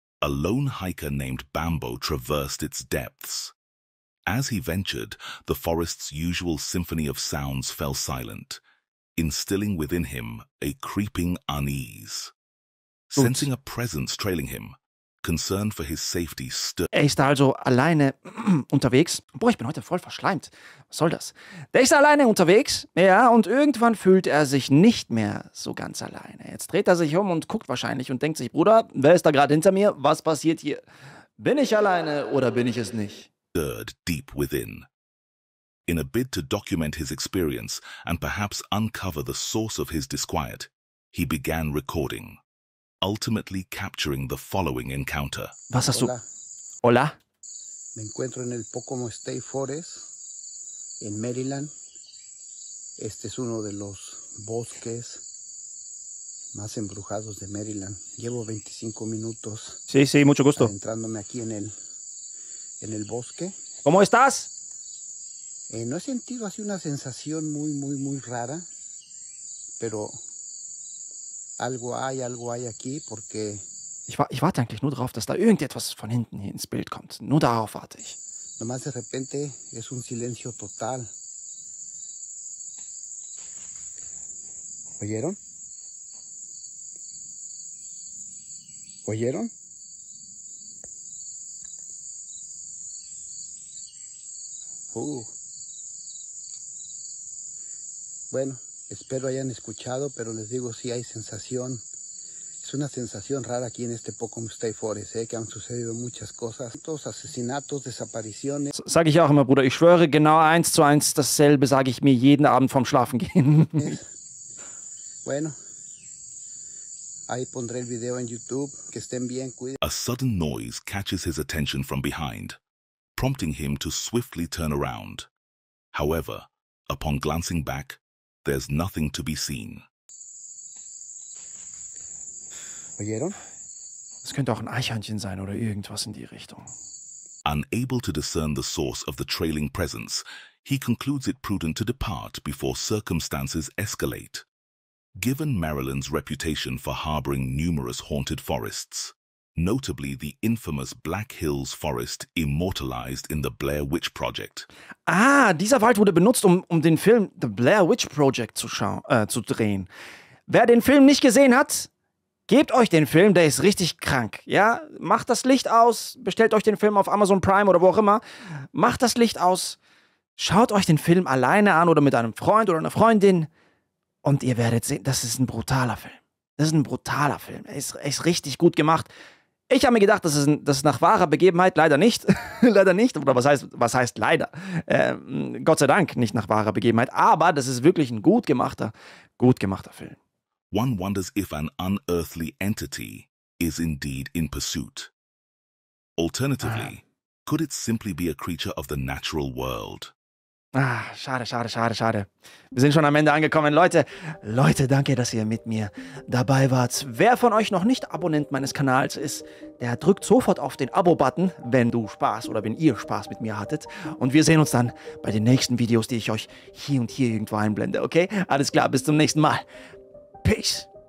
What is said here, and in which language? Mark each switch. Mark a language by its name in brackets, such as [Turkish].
[English] A lone hiker named Bambo traversed its depths. As he ventured, the forest's usual symphony of sounds fell silent, instilling within him a creeping unease. Oops. Sensing a presence trailing him, concern for his safety stirred. [German] Er ist also alleine unterwegs. Boah, ich bin heute voll verschleimt. Was soll das? Der ist alleine unterwegs, ja, und irgendwann fühlt er sich nicht mehr so ganz alleine. Jetzt dreht er sich um und guckt wahrscheinlich und denkt sich, Bruder, wer ist da gerade hinter mir? Was passiert hier? Bin ich alleine oder bin ich es nicht? [English] Stirred deep within. In a bid to document his experience and perhaps uncover the source of his disquiet, he began recording. Ultimately capturing the following encounter. [German] Was hast du? [Spanish] Hola. Me encuentro en el Pocomo State Forest, en Maryland. Este es uno de los bosques más embrujados de Maryland. Llevo 25 minutos. Sí, sí, mucho gusto. Entrándome aquí en el bosque. ¿Cómo estás? No he sentido así una sensación muy, muy, muy rara, pero... algo hay aquí, porque... [German] Ich warte eigentlich nur darauf, dass da irgendetwas von hinten hier ins Bild kommt. Nur darauf warte ich. [Spanish] Nomás de repente es un silencio total. ¿Oyeron? ¿Oyeron? Bueno. Espero hayan escuchado, pero les digo, sí hay sensación. Es una sensación rara aquí en este Pocomo State Forest, que han sucedido muchas cosas. Todos asesinatos, desapariciones. [German] Sag ich auch immer, Bruder, ich schwöre genau eins zu eins dasselbe, sage ich mir jeden Abend vorm Schlafengehen. [Spanish] Bueno, ahí pondré el video en YouTube. Que estén bien, cuídense. [English] A sudden noise catches his attention from behind, prompting him to swiftly turn around. However, upon glancing back, there's nothing to be seen. [Spanish] ¿Oyeron? [German] Es könnte auch ein Eichhörnchen sein oder irgendwas in die Richtung. [English] Unable to discern the source of the trailing presence, he concludes it prudent to depart before circumstances escalate. Given Maryland's reputation for harboring numerous haunted forests, notably the infamous Black Hills Forest immortalized in the Blair Witch Project. [German] Ah, dieser Wald wurde benutzt, um den Film The Blair Witch Project zu drehen. Wer den Film nicht gesehen hat, gebt euch den Film, der ist richtig krank. Ja, macht das Licht aus, bestellt euch den Film auf Amazon Prime oder wo auch immer. Macht das Licht aus, schaut euch den Film alleine an oder mit einem Freund oder einer Freundin und ihr werdet sehen, das ist ein brutaler Film. Das ist ein brutaler Film. Er ist richtig gut gemacht. Ich habe mir gedacht, das ist nach wahrer Begebenheit. Leider nicht. Leider nicht. Oder was heißt leider? Gott sei Dank nicht nach wahrer Begebenheit. Aber das ist wirklich ein gut gemachter Film. [English] One wonders if an unearthly entity is indeed in pursuit. Alternatively, could it simply be a creature of the natural world? [German] Ah, schade, schade, schade, schade. Wir sind schon am Ende angekommen. Leute, danke, dass ihr mit mir dabei wart. Wer von euch noch nicht Abonnent meines Kanals ist, der drückt sofort auf den Abo-Button, wenn ihr Spaß mit mir hattet. Und wir sehen uns dann bei den nächsten Videos, die ich euch hier und hier irgendwo einblende, okay? Alles klar, bis zum nächsten Mal. Peace.